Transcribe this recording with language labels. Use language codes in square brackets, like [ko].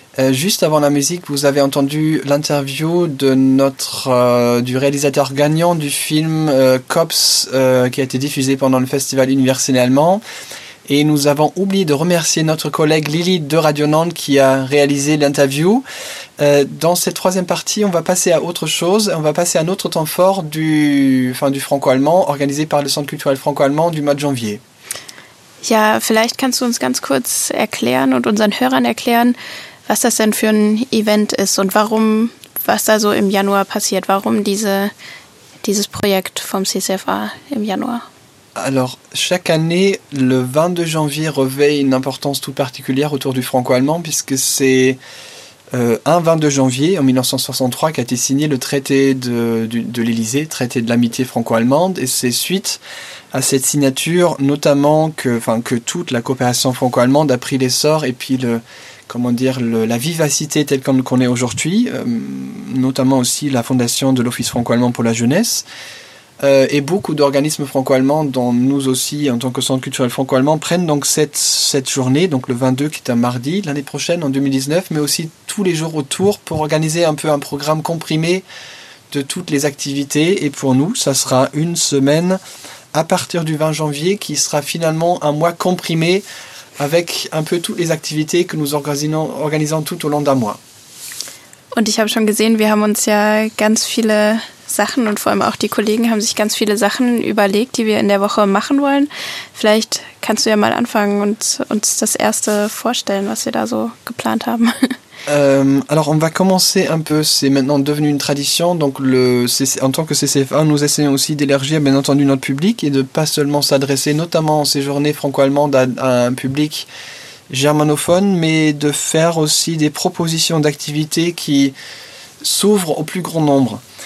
[fr] Juste avant la musique, vous avez entendu l'interview de du réalisateur gagnant du film Cops qui a été diffusé pendant le Festival universel allemand. Et nous avons oublié de remercier notre collègue Lily de Radio Nantes qui a réalisé l'interview. Dans cette troisième partie, on va passer à autre chose. On va passer à un autre temps fort du franco-allemand organisé par le Centre culturel franco-allemand du mois de janvier. [de] Ja, vielleicht kannst du uns ganz kurz erklären und unseren Hörern erklären, was das denn für ein Event ist und warum, was da so im Januar passiert. Warum dieses Projekt vom CCFA im Januar? [fr] Alors, chaque année, le 22 janvier revêt une importance toute particulière autour du franco-allemand, puisque c'est un 22 janvier, en 1963, qu'a été signé le traité de l'Élysée, traité de l'amitié franco-allemande, et c'est suite à cette signature, notamment, que toute la coopération franco-allemande a pris l'essor, et puis la vivacité telle qu'on le connaît aujourd'hui, notamment aussi la fondation de l'Office franco-allemand pour la jeunesse, et beaucoup d'organismes franco-allemands, dont nous aussi, en tant que centre culturel franco-allemand, prennent donc cette journée, donc le 22, qui est un mardi, l'année prochaine, en 2019, mais aussi tous les jours autour, pour organiser un peu un programme comprimé de toutes les activités. Et pour nous, ça sera une semaine à partir du 20 janvier, qui sera finalement un mois comprimé, avec un peu toutes les activités que nous organisons tout au long d'un mois. [de] Und ich habe schon gesehen, wir haben uns ja ganz viele Sachen und vor allem auch die Kollegen haben sich ganz viele Sachen überlegt, die wir in der Woche machen wollen. Vielleicht kannst du ja mal anfangen und uns das erste vorstellen, was wir da so geplant haben. [fr] Alors, on va commencer un peu, c'est maintenant devenu une tradition, donc en tant que CCFA, nous essayons aussi d'élargir bien entendu notre public et de pas seulement s'adresser, notamment en ces journées franco-allemandes, à un public germanophone, mais de faire aussi des propositions d'activités qui s'ouvrent au plus grand nombre.